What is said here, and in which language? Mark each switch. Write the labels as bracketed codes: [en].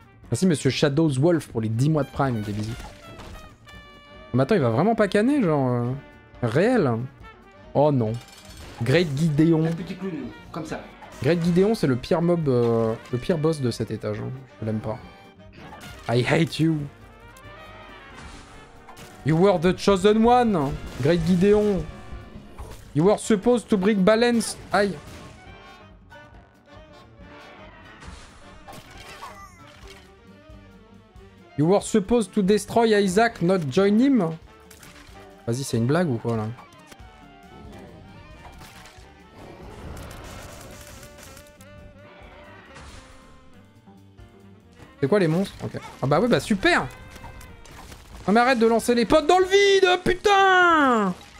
[fr] Merci monsieur Shadows Wolf pour les 10 mois de Prime, des bisous. Mais attends, il va vraiment pas canner, genre... Réel. Oh non. Great Gideon. Un petit clown, comme ça. Great Gideon, c'est le pire mob... le pire boss de cet étage, hein. Je l'aime pas. [en] I hate you. You were the chosen one, Great Gideon. You were supposed to bring balance. Aïe. You were supposed to destroy Isaac, not join him. [fr] Vas-y, c'est une blague ou quoi là? C'est quoi les monstres? Ok. Ah bah ouais, bah super! Non mais arrête de lancer les potes dans le vide, putain!